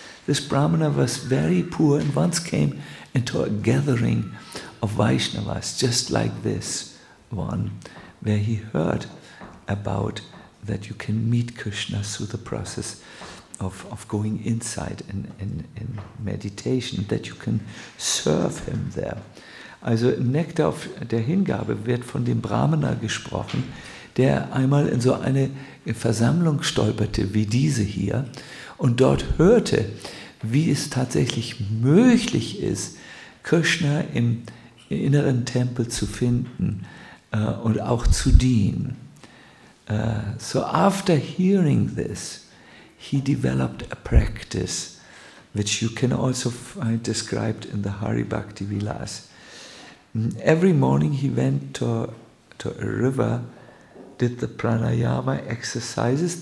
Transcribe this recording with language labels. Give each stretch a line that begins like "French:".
English: This Brahmana was very poor and once came into a gathering of Vaishnavas, just like this one, where he heard about that you can meet Krishna through the process of going inside in meditation, that you can serve him there.
German: Also im Nektar der Hingabe wird von dem Brahmana gesprochen, der einmal in so eine Versammlung stolperte wie diese hier und dort hörte, wie es tatsächlich möglich ist, Krishna im inneren Tempel zu finden und auch zu dienen.
English: So after hearing this, he developed a practice which you can also find described in the Hari Bhakti Vilas. Every morning he went to a river, did the pranayama exercises.